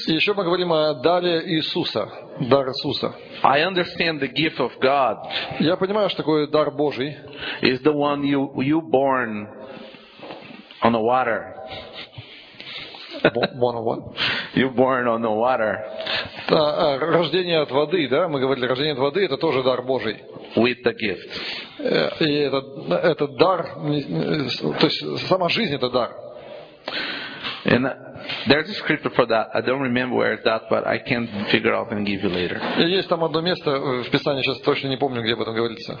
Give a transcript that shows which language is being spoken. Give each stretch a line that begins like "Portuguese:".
Russian: И еще мы говорим о даре Иисуса, дар Иисуса.
English: I understand the gift of God.
Russian: Я понимаю, что такое дар Божий.
English: Is the one you born on the water. Born on what? You born on the water.
Russian: Рождение от воды, да? Мы говорили, рождение от воды — это тоже дар Божий.
English: With the gift.
Russian: И это дар, то есть сама жизнь — это дар.
English: And there's a scripture for that. I don't remember where it's at, but I can figure out and give you later.
Russian: Есть там одно место в Писании, сейчас точно не помню, где об этом говорится.